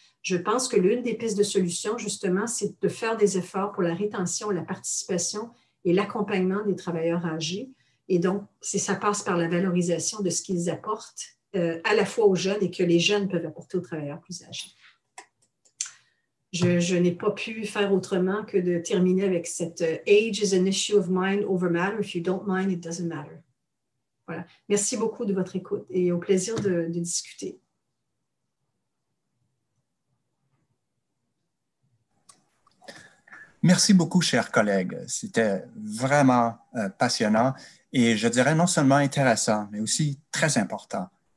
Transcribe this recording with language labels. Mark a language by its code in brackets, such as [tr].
[fr] Je pense que l'une des pistes de solution, justement, c'est de faire des efforts pour la rétention, la participation et l'accompagnement des travailleurs âgés. Et donc, ça passe par la valorisation de ce qu'ils apportent à la fois aux jeunes et que les jeunes peuvent apporter aux travailleurs plus âgés. Je n'ai pas pu faire autrement que de terminer avec cette « [en] Age is an issue of mind over matter. If you don't mind, it doesn't matter. » [fr] Voilà. Merci beaucoup de votre écoute et au plaisir de discuter. Merci beaucoup, chers collègues. C'était vraiment passionnant et je dirais non seulement intéressant, mais aussi très important.